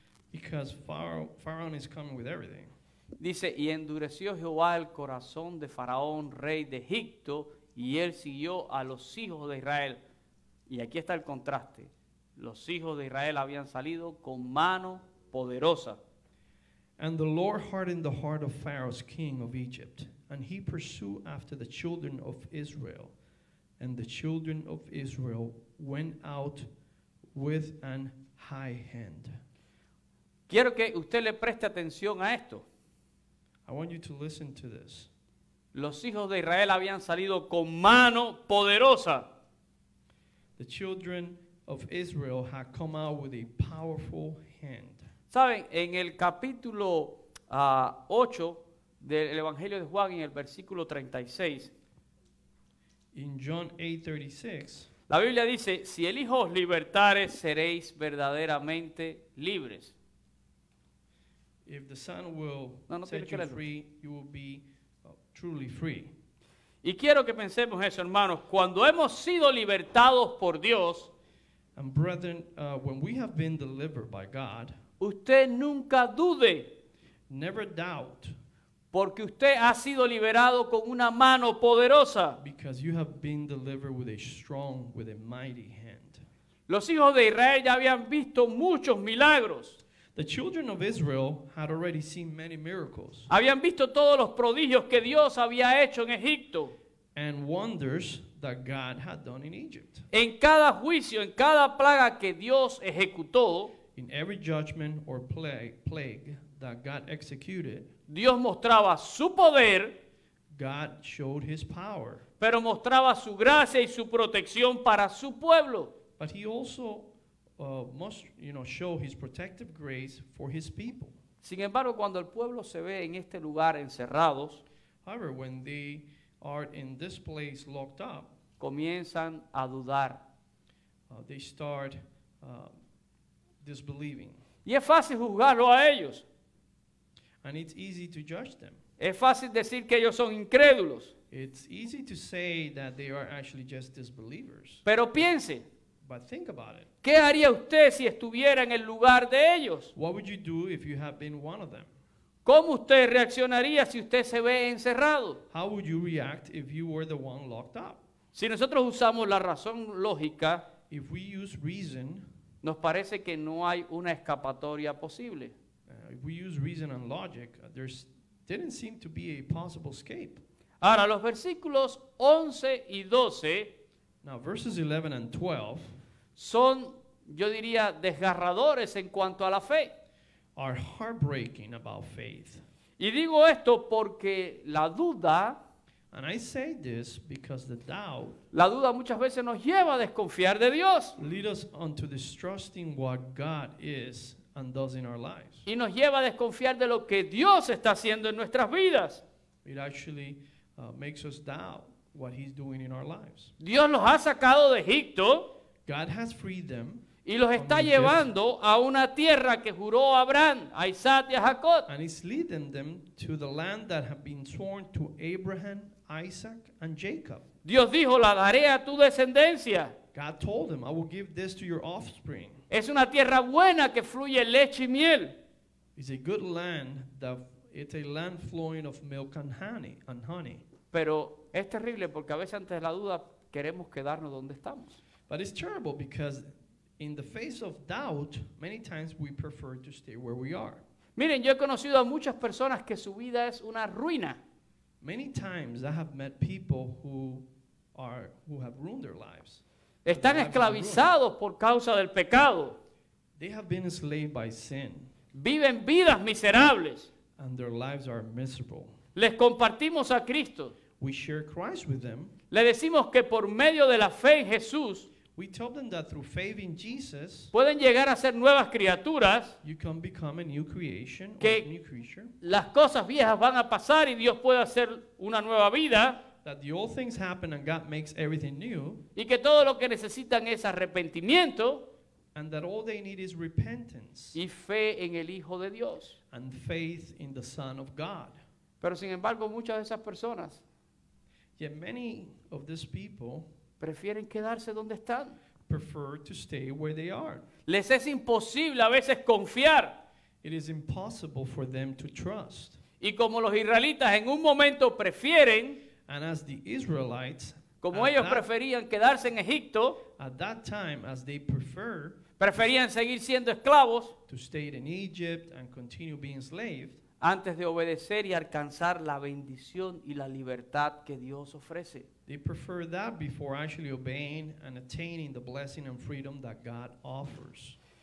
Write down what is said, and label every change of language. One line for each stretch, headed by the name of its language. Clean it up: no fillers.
English: Because Pharaoh is coming with everything.
Spanish: Dice, y endureció Jehová el corazón de Faraón, rey de Egipto, y él siguió a los hijos de Israel. Y aquí está el contraste. Los hijos de Israel habían salido con mano poderosa.
English: And the Lord hardened the heart of Pharaoh's king of Egypt, and he pursued after the children of Israel. And the children of Israel went out with an high hand.
Spanish: Quiero que usted le preste atención a esto.
English: I want you to listen to this.
Spanish: Los hijos de Israel habían salido con mano poderosa.
English: The children of Israel had come out with a powerful hand.
Spanish: ¿Saben? En el capítulo 8 del Evangelio de Juan, en el versículo 36.
English: In John 8:36.
Spanish: La Biblia dice, si el Hijo os libertare, seréis verdaderamente libres.
English: If the Son will set you free, you will be truly free.
Spanish: Y quiero que pensemos eso, hermanos. Cuando hemos sido libertados por Dios.
English: And brethren, when we have been delivered by God.
Spanish: Usted nunca dude.
English: Never doubt.
Spanish: Porque usted ha sido liberado con una mano poderosa.
English: Because you have been delivered with a strong, with a mighty hand.
Spanish: Los hijos de Israel ya habían visto muchos milagros.
English: The children of Israel had already seen many miracles.
Spanish: Habían visto todos los prodigios que Dios había hecho en Egipto.
English: And wonders that God had done in Egypt.
Spanish: En cada juicio, en cada plaga que Dios ejecutó.
English: In every judgment or plague that God executed,
Spanish: Dios mostraba su poder,
English: God showed his power,
Spanish: pero mostraba su gracia y su protección para su pueblo.
English: But he also show his protective grace for his people.
Spanish: Sin embargo, cuando el pueblo se ve en este lugar encerrados,
English: however, when they are in this place locked up,
Spanish: comienzan a dudar.
English: They start disbelieving.
Spanish: Y es fácil juzgarlo a ellos.
English: And it's easy to judge them.
Spanish: Es fácil decir que ellos son incrédulos.
English: It's easy to say that they are actually just disbelievers.
Spanish: Pero piense.
English: But think about it.
Spanish: ¿Qué haría usted si estuviera en el lugar de ellos?
English: What would you do if you have been one of them?
Spanish: ¿Cómo usted reaccionaría si usted se ve encerrado?
English: How would you react if you were the one locked up?
Spanish: Si nosotros usamos la razón lógica,
English: if we use reason,
Spanish: nos parece que no hay una escapatoria posible.
English: If we use reason and logic, there didn't seem to be a possible escape.
Spanish: Ahora, los versículos 11 y 12,
English: now, verses 11 and 12
Spanish: son, yo diría, desgarradores en cuanto a la fe.
English: Are heartbreaking about faith.
Spanish: Y digo esto porque la duda,
English: and I say this because the doubt,
Spanish: la duda muchas veces nos lleva a desconfiar de Dios,
English: lead us onto distrusting what God is and does in our lives.
Spanish: Y nos lleva a desconfiar de lo que Dios está haciendo en nuestras vidas.
English: It actually makes us doubt what he's doing in our lives.
Spanish: Dios los ha sacado de Egipto.
English: God has freed them.
Spanish: Y los está llevando a una tierra que juró a Abraham, a Isaac y a Jacob.
English: And he's leading them to the land that had been sworn to Abraham, Isaac, and Jacob.
Spanish: Dios dijo, la daré a tu descendencia.
English: God told him, I will give this to your offspring.
Spanish: Es una tierra buena que fluye leche y miel.
English: It's a good land that it's a land flowing of milk and honey.
Spanish: Pero es terrible porque a veces antes de la duda queremos quedarnos donde estamos.
English: But it's terrible because in the face of doubt, many times we prefer to stay where we are.
Spanish: Miren, yo he conocido a muchas personas que su vida es una ruina.
English: Many times I have met people who have ruined their lives.
Spanish: Están esclavizados por causa del pecado.
English: They have been enslaved by sin.
Spanish: Viven vidas miserables.
English: And their lives are miserable.
Spanish: Les compartimos a Cristo.
English: We share Christ with them.
Spanish: Le decimos que por medio de la fe en Jesús,
English: we tell them that through faith in Jesus,
Spanish: pueden llegar a ser nuevas criaturas,
English: you can become a new creation,
Spanish: que
English: a new creature,
Spanish: las cosas viejas van a pasar y Dios puede hacer una nueva vida,
English: that the old things happen and God makes everything new,
Spanish: y que todo lo que necesitan es arrepentimiento,
English: and that all they need is repentance,
Spanish: y fe en el Hijo de Dios,
English: and faith in the Son of God.
Spanish: Pero sin embargo, muchas de esas personas,
English: yet many of these people,
Spanish: prefieren quedarse donde están.
English: Prefer to stay where they are.
Spanish: Les es imposible a veces confiar.
English: It is impossible for them to trust.
Spanish: Y como los israelitas en un momento prefieren,
English: and as the Israelites,
Spanish: como ellos preferían quedarse en Egipto,
English: at that time, as they prefer,
Spanish: preferían seguir siendo esclavos,
English: to stay in Egypt and continue being enslaved,
Spanish: antes de obedecer y alcanzar la bendición y la libertad que Dios ofrece.
English: They prefer that before actually obeying and attaining the blessing and freedom that God offers.